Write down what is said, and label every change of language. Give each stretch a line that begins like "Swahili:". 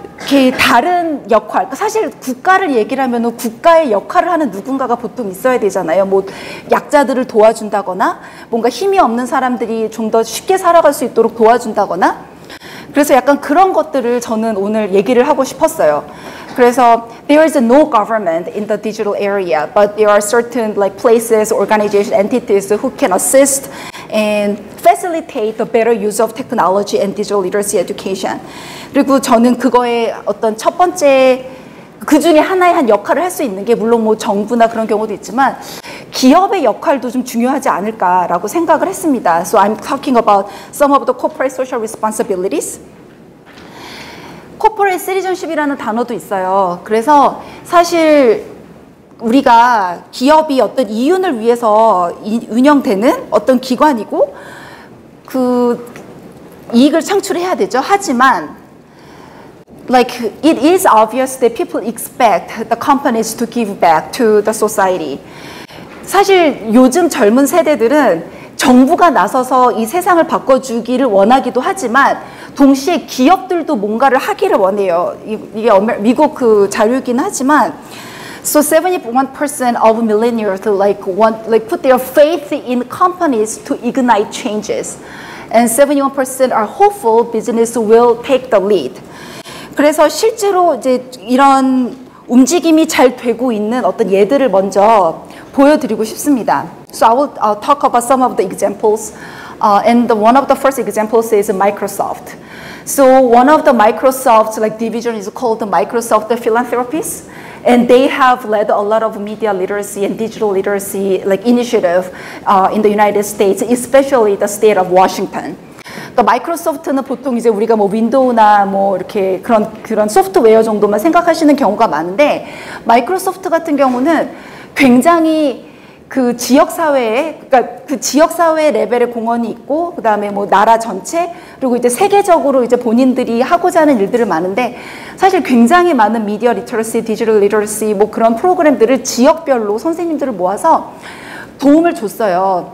Korean: 이렇게 다른 역할, 사실 국가를 얘기를 하면 국가의 역할을 하는 누군가가 보통 있어야 되잖아요. 뭐 약자들을 도와준다거나 뭔가 힘이 없는 사람들이 좀 더 쉽게 살아갈 수 있도록 도와준다거나 그래서 약간 그런 것들을 저는 오늘 얘기를 하고 싶었어요. 그래서
English: there is no government in the digital area, but there are certain like places, organizations, entities who can assist and facilitate the better use of technology and digital literacy education.
Korean: 그리고 저는 그거의 어떤 첫 번째 그 중에 하나의 한 역할을 할 수 있는 게 물론 뭐 정부나 그런 경우도 있지만 기업의 역할도 좀 중요하지 않을까라고 생각을 했습니다.
English: So I'm talking about some of the corporate social responsibilities.
Korean: Corporate citizenship이라는 단어도 있어요. 그래서 사실 우리가 기업이 어떤 이윤을 위해서 운영되는 어떤 기관이고 그 이익을 창출해야 되죠. 하지만
English: like it is obvious that people expect the companies to give back to the society.
Korean: 사실 요즘 젊은 세대들은 정부가 나서서 이 세상을 바꿔주기를 원하기도 하지만 동시에 기업들도 뭔가를 하기를 원해요. 이게 미국 그 자료이긴 하지만
English: So 71% of millennials like put their faith in companies to ignite changes. And 71% are hopeful business will take the lead.
Korean: 그래서 실제로 이제 이런 움직임이 잘 되고 있는 어떤 예들을 먼저 보여드리고 싶습니다.
English: So I will talk about some of the examples. And the, one of the first examples is Microsoft. So one of the Microsoft like division is called the Microsoft Philanthropies. And they have led a lot of media literacy and digital literacy like initiative in the United States, especially the state of Washington.
Korean: 그러니까 마이크로소프트는 보통 이제 우리가 뭐 윈도우나 뭐 이렇게 그런 소프트웨어 정도만 생각하시는 경우가 많은데 마이크로소프트 같은 경우는 굉장히 그 지역사회에, 그러니까 그 지역사회 레벨의 공헌이 있고, 그 다음에 뭐 나라 전체, 그리고 이제 세계적으로 이제 본인들이 하고자 하는 일들을 많은데, 사실 굉장히 많은 미디어 리터러시, 디지털 리터러시, 뭐 그런 프로그램들을 지역별로 선생님들을 모아서 도움을 줬어요.